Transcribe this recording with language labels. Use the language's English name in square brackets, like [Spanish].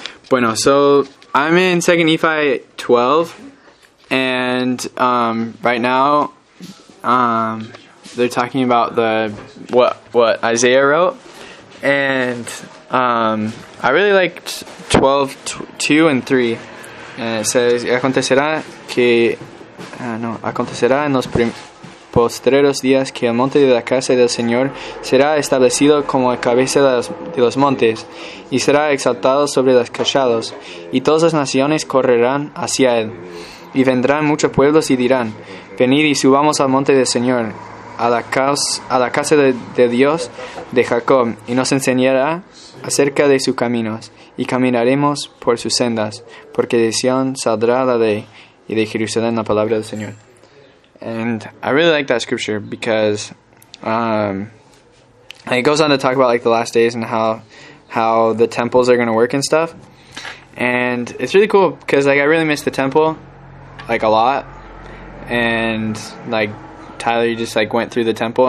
[English] Bueno, so I'm in 2 Nephi 12, and right now they're talking about what Isaiah wrote, and I really liked 12:2 and 3, and it says, [Spanish] acontecerá que. Acontecerá en los prim- postreros días que el monte de la casa del Señor será establecido como la cabeza de los montes y será exaltado sobre los collados, y todas las naciones correrán hacia él. Y vendrán muchos pueblos y dirán: Venid y subamos al monte del Señor, a la casa de Dios de Jacob, y nos enseñará acerca de sus caminos, y caminaremos por sus sendas, porque de Sion saldrá la ley, y de Jerusalén la palabra del Señor. [English] And I really like that scripture because it goes on to talk about like the last days and how the temples are going to work and stuff. And it's really cool because like I really miss the temple like a lot. And like Tyler, you just like went through the temple.